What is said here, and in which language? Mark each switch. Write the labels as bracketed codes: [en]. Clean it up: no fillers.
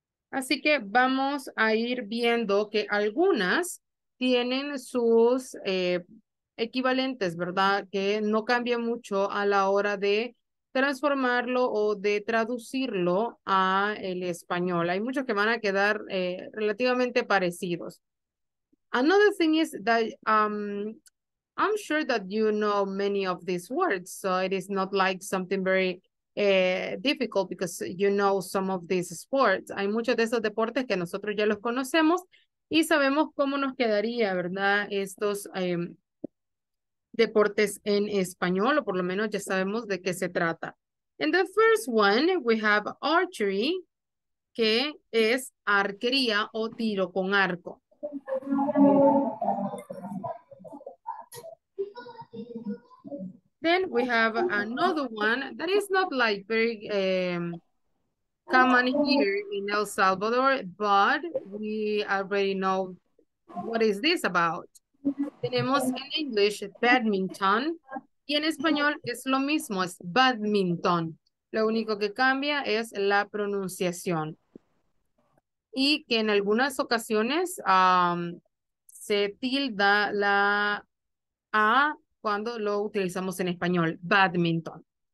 [es] Así que vamos a ir viendo que algunas tienen sus equivalentes, ¿verdad? Que no cambia mucho a la hora de transformarlo o de traducirlo a el español. Hay muchos que van a quedar relativamente parecidos. [en] Another thing is that I'm sure that you know many of these words, so it is not like something very difficult because you know some of these sports. [es] Hay muchos de esos deportes que nosotros ya los conocemos y sabemos cómo nos quedaría, ¿verdad? Estos deportes en español, o por lo menos ya sabemos de qué se trata. [en] In the first one, we have archery, [es] que es arquería o tiro con arco. [en] Then we have another one that is not like very common here in El Salvador, but we already know what is this about. [es] Tenemos en English badminton, y en español es lo mismo, es badminton. Lo único que cambia es la pronunciación. Y que en algunas ocasiones se tilda la A cuando lo utilizamos en español, badminton.